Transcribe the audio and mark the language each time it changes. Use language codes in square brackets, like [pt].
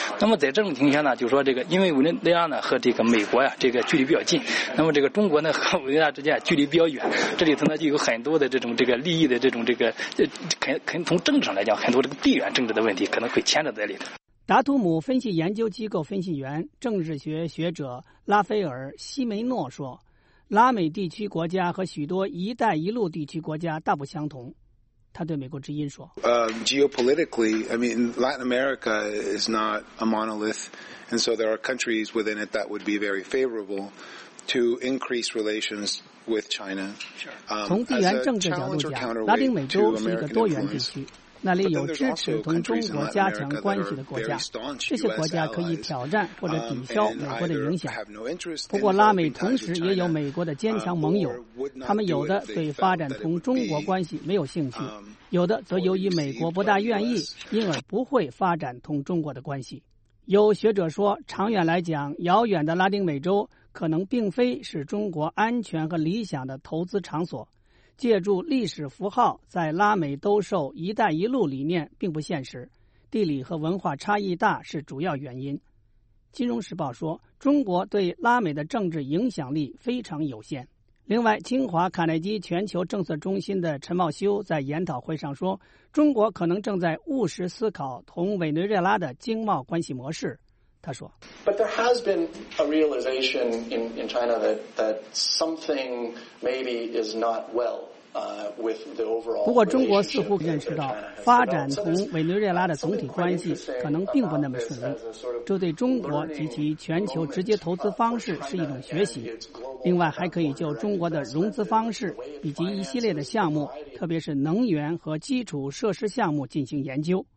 [zh] 那么在这种情况下呢，就是说这个因为委内瑞拉呢和这个美国呀，这个距离比较近，那么这个中国呢和维也纳之间距离比较远，这里头呢就有很多的这种这个利益的这种这个，肯从政治上来讲，很多这个地缘政治的问题可能会牵扯在里头。达图姆分析研究机构分析员、政治学学者拉斐尔·西梅诺说，拉美地区国家和许多一带一路地区国家大不相同。他对美国之音说 [en] geopolitically, I mean, Latin America is not a monolith, and so there are countries within it that would be very favorable to increase relations with China. [zh] 从地缘政治角度讲，拉丁美洲是一个多元地区，那里有支持同中国加强关系的国家，这些国家可以挑战或者抵消美国的影响。不过拉美同时也有美国的坚强盟友，他们有的对发展同中国关系没有兴趣，有的则由于美国不大愿意，因而不会发展同中国的关系。有学者说，长远来讲，遥远的拉丁美洲可能并非是中国安全和理想的投资场所，借助历史符号在拉美兜售一带一路理念并不现实，地理和文化差异大是主要原因。金融时报说，中国对拉美的政治影响力非常有限。另外，清华卡耐基全球政策中心的陈茂修在研讨会上说，中国可能正在务实思考同委内瑞拉的经贸关系模式。他说 [en] But there has been a realization in China that something maybe is not well with the overall. [zh] 不过中国似乎认识到发展同委内瑞拉的总体关系可能并不那么顺利，这对中国及其全球直接投资方式是一种学习。另外还可以就中国的融资方式以及一系列的项目，特别是能源和基础设施项目进行研究。